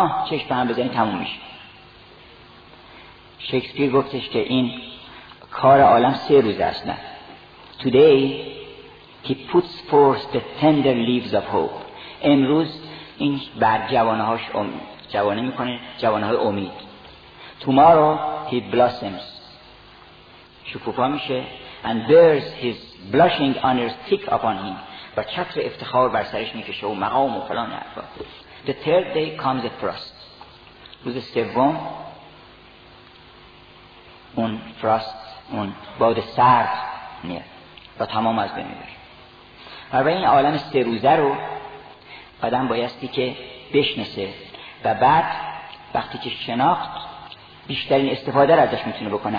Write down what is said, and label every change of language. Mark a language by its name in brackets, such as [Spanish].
[Persian] چشم هم بزنی تموم میشه. شکسپیر گفتش که این کار عالم سه روز است. [English] نه Today he puts forth the tender leaves of hope. [Persian] امروز این بر جوانهاش جوانه میکنه، جوانهای امید. [English] Tomorrow he blossoms، [Persian] شکوفا میشه. [English] and bears his blushing honor stick upon him. [Persian] و چتر افتخار بر سرش میکشه و مقام و فلان حرفا. The third day comes the frost. روز سوم اون فراست، اون باد سرد میاد و تمام از بین میره. و به این عالم سه روزه رو آدم بایستی که بشناسه و بعد وقتی که شناخت بیشترین استفاده را ازش میتونه بکنه.